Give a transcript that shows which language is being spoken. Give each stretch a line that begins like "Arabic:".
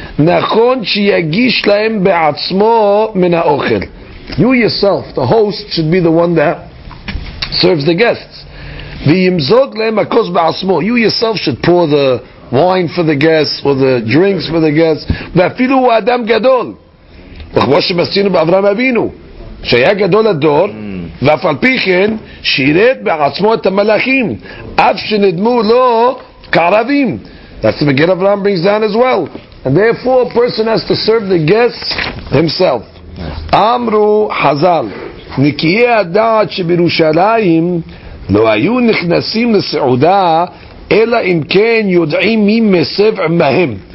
Hebrew: Nachon shiyagish lahem be'atzmo min ha'ochel.
English: You yourself, the host, should be the one that serves the guests. V'yimzog lahem akos be'atzmo. You yourself should pour the wine for the guests or the drinks for the guests.
Hebrew: V'afilu adam gadol. וכמו שמסינו באברהם אבינו שהיה גדול הדור ואף על פי כן שירת בעצמו את המלאכים אף שנדמו לו כערבים.
English: That's the beginning of Abraham brings down as well, and therefore a person has to serve the guests himself.
Hebrew: אמרו חזל נקיי הדעת שבירושלים לא היו נכנסים לסעודה אלא אם כן יודעים מי מסב עמהם.